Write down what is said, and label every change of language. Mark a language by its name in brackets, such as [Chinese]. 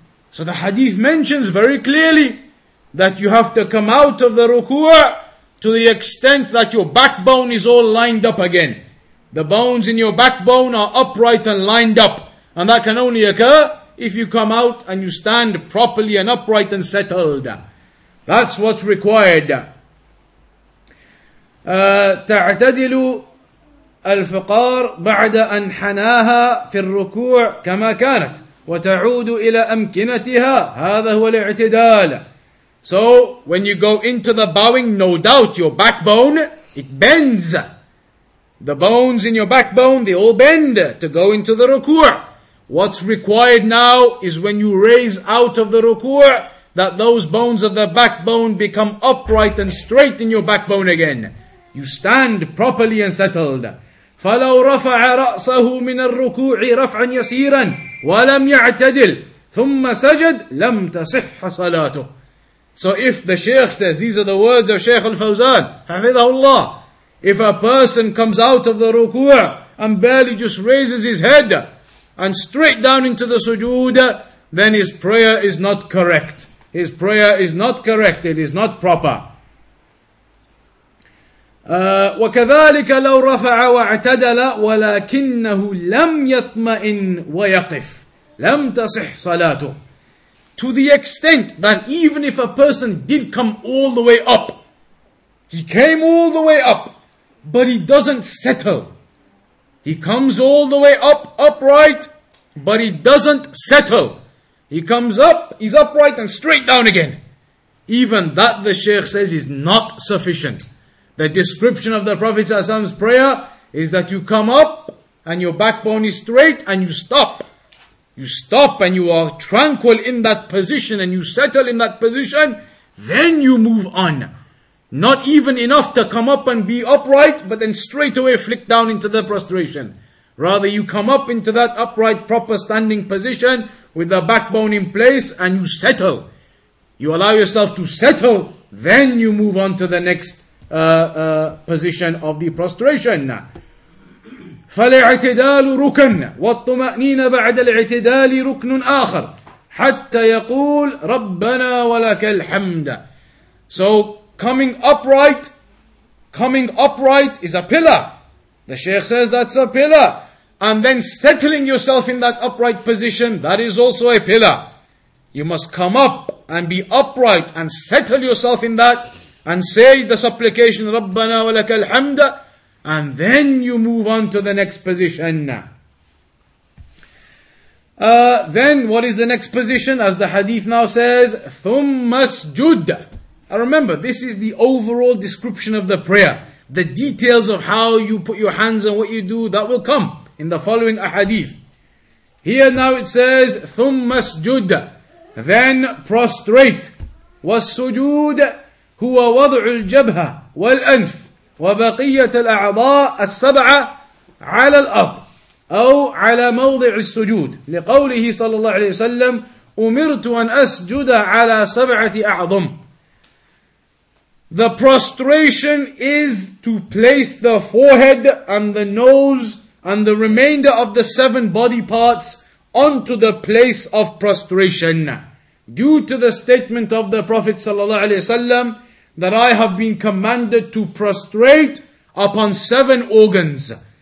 [English] So the hadith mentions very clearly that you have to come out of the ruku' to the extent that your backbone is all lined up again. The bones in your backbone are upright and lined up. And that can only occur if you come out and you stand properly and upright and settled. That's what's required. [Arabic] تَعْتَدِلُ الفقار بعد أن حناها في الركوع كما كانت وتعود إلى أمكنتها هذا هو الاعتدال. [English] So when you go into the bowing, no doubt your backbone, it bends. The bones in your backbone, they all bend to go into the ruku'. What's required now is when you raise out of the ruku' that those bones of the backbone become upright and straight in your backbone again. You stand properly and settled. [Arabic] فَلَوْ رَفَعَ رَأْسَهُ مِنَ الرُّكُوعِ رَفْعًا يَسِيرًا وَلَمْ يَعْتَدِلْ ثُمَّ سَجَدْ لَمْ تَصِحَّ صَلَاتُهُ. [English] So if the Shaykh says, these are the words of Shaykh al-Fawzan, hafidhahullah, if a person comes out of the ruku' and barely just raises his head and straight down into the sujood, then his prayer is not correct. His prayer is not correct, it is not proper. [Arabic] وكذلك لو رفع واعتدل ولكنه لم يطمئن ويقف لم تصح صلاته. [English] To the extent that even if a person did come all the way up, he came all the way up, but he doesn't settle. He comes all the way up, upright, but he doesn't settle. He comes up, he's upright and straight down again. Even that, the Shaykh says, is not sufficient. The description of the Prophet ﷺ's prayer is that you come up and your backbone is straight and you stop. You stop and you are tranquil in that position and you settle in that position. Then you move on. Not even enough to come up and be upright, but then straight away flick down into the prostration. Rather, you come up into that upright, proper standing position with the backbone in place and you settle. You allow yourself to settle. Then you move on to the next position of the prostration. [Arabic] فَالْاِعْتِدَالُ رُكْنٌ وَالطُّمَأْنِينَ بَعْدَ الْاِعْتِدَالِ رُكْنٌ آخَرٌ حَتَّى يَقُولْ رَبَّنَا وَلَكَ الْحَمْدَ. [English] So coming upright, coming upright is a pillar. The Shaykh says that's a pillar. And then settling yourself in that upright position, that is also a pillar. You must come up and be upright and settle yourself in that and say the supplication, Rabbana wa laka alhamda, and then you move on to the next position. Then what is the next position? As the hadith now says, [Arabic] ثُمَّ اسْجُدْ. [English] Now remember, this is the overall description of the prayer. The details of how you put your hands and what you do, that will come in the following ahadith. Here now it says, [Arabic] ثُمَّ اسْجُدْ. [English] Then prostrate. [Arabic] والسجود هو وضع الجبهة والأنف وبقية الأعضاء السبعة على الأرض أو على موضع السجود لقوله صلى الله عليه وسلم أمرت أن أسجد على سبعة أعظم. [English] The prostration is to place the forehead and the nose and the remainder of the seven body parts onto the place of prostration. Due to the statement of the Prophet ﷺ that I have been commanded to prostrate upon seven organs.